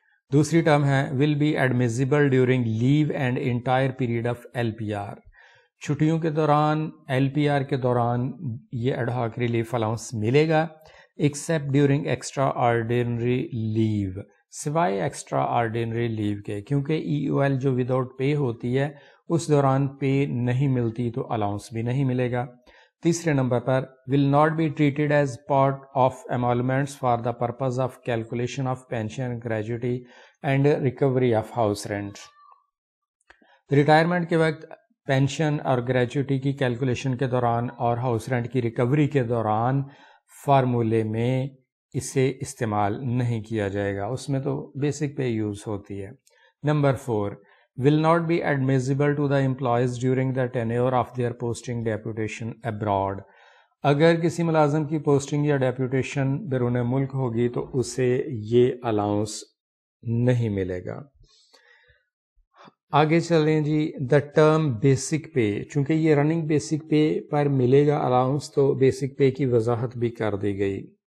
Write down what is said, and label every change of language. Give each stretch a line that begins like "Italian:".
Urdu: دوسری ٹرم ہے
English: will be admissible during leave and entire period of L P R,
Urdu: چھٹیوں کے دوران، ایل پی آر کے دوران یہ ایڈہاک ریلیف الاؤنس ملے گا،
English: except during extraordinary leave,
Urdu: سوائے ایکسٹرا آرڈینری لیو کے، کیونکہ ای او ایل جو وداؤٹ پے ہوتی ہے، اس دوران پے نہیں ملتی تو الاؤنس بھی نہیں ملے گا۔ تیسرے number per
English: will not be treated as part of emoluments for the purpose of calculation of pension gratuity and recovery of house rent.
Urdu: Retirement کے وقت پینشن اور گریجوٹی کی کیلکولیشن کے دوران اور ہاؤس رینٹ کی ریکوری کے دوران فارمولے میں اسے استعمال نہیں کیا جائے گا, اس میں تو بیسک پے یوز ہوتی ہے.
English: Number four, will not be admissible to the employees during the tenure of their posting deputation abroad.
Urdu: اگر کسی ملازم کی پوسٹنگ یا ڈیپوٹیشن بیرون ملک ہوگی تو اسے یہ الاؤنس نہیں ملے گا. آگے چلیں جی, دا ٹرم بیسک پے, چونکہ یہ رننگ بیسک پے پر ملے گا الاؤنس تو بیسک پے کی وضاحت بھی کر دی گئی.